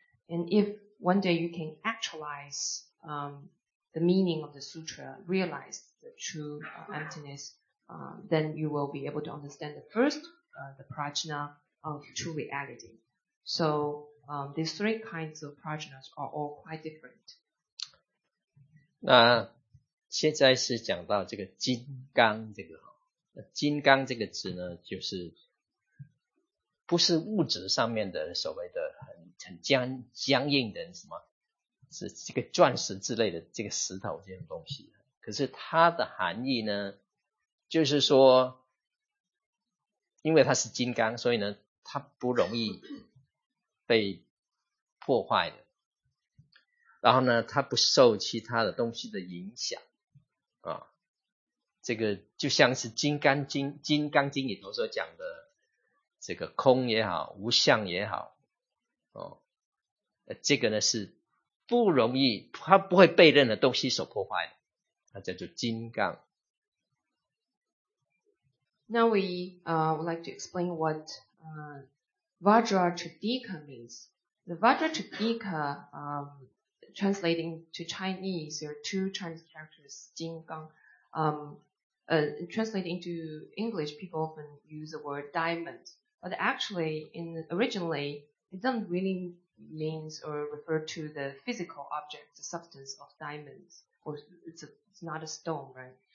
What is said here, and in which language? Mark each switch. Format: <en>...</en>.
<en>And if one day you can actualize the meaning of the sutra, realize the true emptiness, then you will be able to understand the first the prajna of true reality. So these three kinds of prajnas are all quite different.</en> <zh>那现在是讲到这个金刚这个，金刚这个词呢，就是不是物质上面的所谓的 很僵硬的什么，是这个钻石之类的这个石头这种东西。可是它的含义呢，就是说，因为它是金刚，所以呢，它不容易被破坏的。然后呢，它不受其他的东西的影响啊。这个就像是金刚经里头所讲的，这个空也好，无相也好，哦，这个呢是不容易，它不会被任何东西所破坏的，它叫做金刚。</zh> <en>Now we would like to explain what Vajra Tridika means. The Vajra Tridika, translating to Chinese, there are two Chinese characters, Jin Gang. Translating to English, people often use the word diamond, but actually, originally, it doesn't really mean or refer to the physical object, the substance of diamonds, or it's not a stone, right?</en>